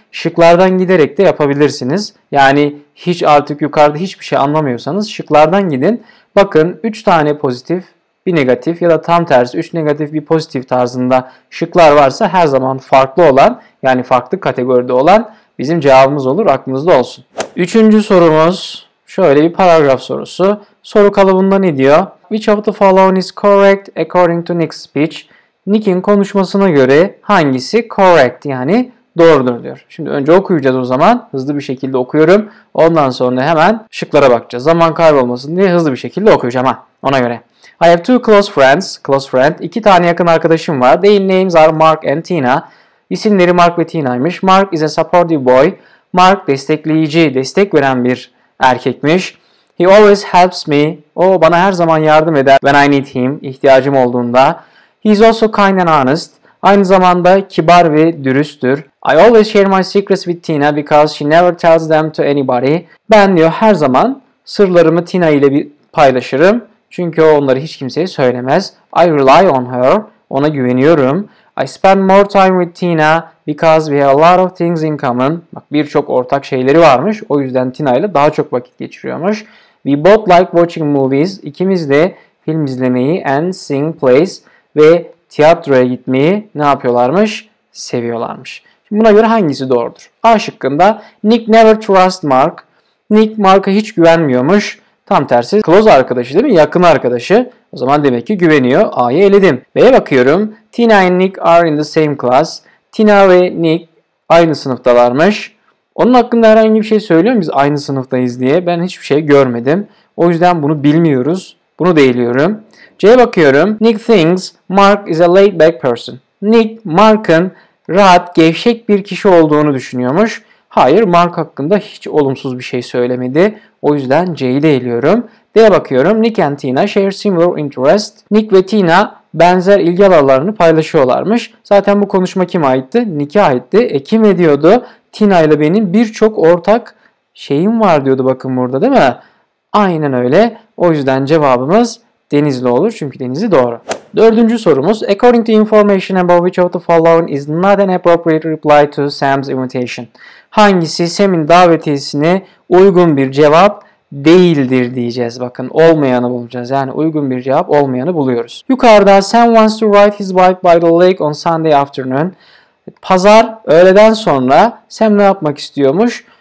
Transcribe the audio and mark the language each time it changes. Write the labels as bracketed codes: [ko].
[tr] Şıklardan giderek de yapabilirsiniz. Yani hiç artık yukarıda hiçbir şey anlamıyorsanız şıklardan gidin. Bakın 3 tane pozitif, bir negatif ya da tam tersi 3 negatif bir pozitif tarzında şıklar varsa her zaman farklı olan, yani farklı kategoride olan bizim cevabımız olur, aklınızda olsun. Üçüncü sorumuz şöyle bir paragraf sorusu. Soru kalıbında ne diyor? [en] Which of the following is correct according to Nick's speech? [tr] Nick'in konuşmasına göre hangisi correct, yani doğrudur diyor. Şimdi önce okuyacağız o zaman. Hızlı bir şekilde okuyorum. Ondan sonra hemen şıklara bakacağız. Zaman kaybolmasın diye hızlı bir şekilde okuyacağım. Ha, ona göre. [en] I have two close friends. Close friend. [tr] İki tane yakın arkadaşım var. [en] Their names are Mark and Tina. [tr] İsimleri Mark ve Tina'ymış. [en] Mark is a supportive boy. Mark destekleyici, destek veren bir erkekmiş. He always helps me. [tr] O bana her zaman yardım eder. [en] When I need him, [tr] ihtiyacım olduğunda. [en] He is also kind and honest. [tr] Aynı zamanda kibar ve dürüsttür. [en] I always share my secrets with Tina because she never tells them to anybody. [tr] Ben diyor her zaman sırlarımı Tina ile bir paylaşırım. Çünkü o onları hiç kimseye söylemez. [en] I rely on her. [tr] Ona güveniyorum. [en] I spend more time with Tina because we have a lot of things in common. [tr] Bak birçok ortak şeyleri varmış. O yüzden Tina ile daha çok vakit geçiriyormuş. [en] We both like watching movies. [tr] İkimiz de film izlemeyi [en] and sing plays [tr] ve tiyatroya gitmeyi ne yapıyorlarmış? Seviyorlarmış. Şimdi buna göre hangisi doğrudur? A şıkkında [en] Nick never trust Mark. [tr] Nick Mark'a hiç güvenmiyormuş. Tam tersi close arkadaşı değil mi? Yakın arkadaşı. O zaman demek ki güveniyor. A'yı eledim. B'ye bakıyorum. [en] Tina and Nick are in the same class. [tr] Tina ve Nick aynı sınıftalarmış. Onun hakkında herhangi bir şey söylüyor mu biz aynı sınıftayız diye? Ben hiçbir şey görmedim. O yüzden bunu bilmiyoruz. Bunu da eliyorum. C'ye bakıyorum. [en] Nick thinks Mark is a laid back person. [tr] Nick Mark'ın rahat, gevşek bir kişi olduğunu düşünüyormuş. Hayır, Mark hakkında hiç olumsuz bir şey söylemedi. O yüzden C'yi de eliyorum. D'ye bakıyorum. [en] Nick and Tina share similar interests. [tr] Nick ve Tina benzer ilgi alanlarını paylaşıyorlarmış. Zaten bu konuşma kime aitti? Nick'e aitti. E kim ediyordu? Tina ile benim birçok ortak şeyim var diyordu bakın burada değil mi? Aynen öyle. O yüzden cevabımız Denizli olur. Çünkü Denizli doğru. Dördüncü sorumuz. [en] According to information above which of the following is not an appropriate reply to Sam's invitation? [tr] Hangisi Sam'in davetiyesine uygun bir cevap değildir diyeceğiz. Bakın olmayanı bulacağız. Yani uygun bir cevap olmayanı buluyoruz. [en] Yukarıda Sam wants to ride his bike by the lake on Sunday afternoon. [tr] Pazar öğleden sonra Sam ne yapmak istiyormuş?